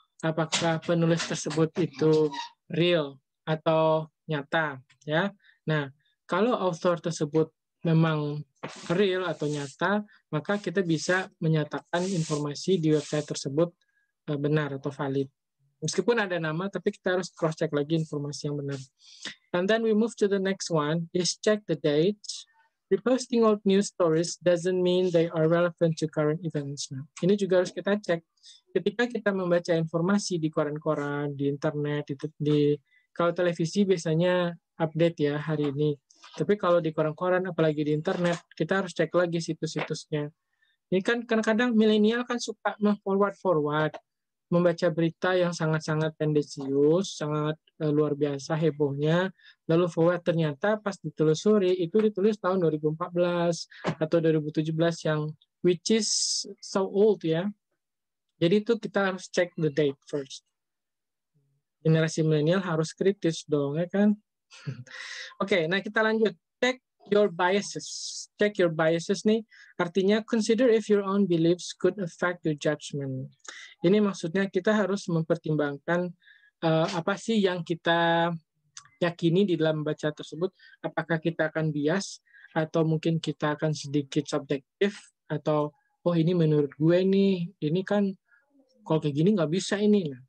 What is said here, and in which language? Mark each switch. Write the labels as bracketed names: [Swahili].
[Indonesian] Apakah penulis tersebut itu real atau nyata? Ya. Nah, kalau author tersebut memang real atau nyata, maka kita bisa menyatakan informasi di website tersebut benar atau valid. Meskipun ada nama, tapi kita harus cross-check lagi informasi yang benar. [English] And then we move to the next one, is check the date. Reposting old news stories doesn't mean they are relevant to current events. [Indonesian] Nah, ini juga harus kita cek. Ketika kita membaca informasi di koran-koran, di internet, di kalau televisi biasanya update ya hari ini. Tapi kalau di koran-koran, apalagi di internet, kita harus cek lagi situs-situsnya. Ini kan kadang-kadang milenial kan suka forward-forward, membaca berita yang sangat-sangat tendensius, sangat luar biasa hebohnya, lalu forward ternyata pas ditelusuri, itu ditulis tahun 2014 atau 2017 yang [English] which is so old [Indonesian] ya. Jadi itu kita harus [English] check the date first. [Indonesian] Generasi milenial harus kritis dong ya kan. Oke, okay, nah kita lanjut. [English] Check your biases. Check your biases nih, artinya consider if your own beliefs could affect your judgment. [Indonesian] Ini maksudnya kita harus mempertimbangkan apa sih yang kita yakini di dalam baca tersebut, apakah kita akan bias atau mungkin kita akan sedikit subjektif, atau oh ini menurut gue nih, ini kan kalau kayak gini nggak bisa ini.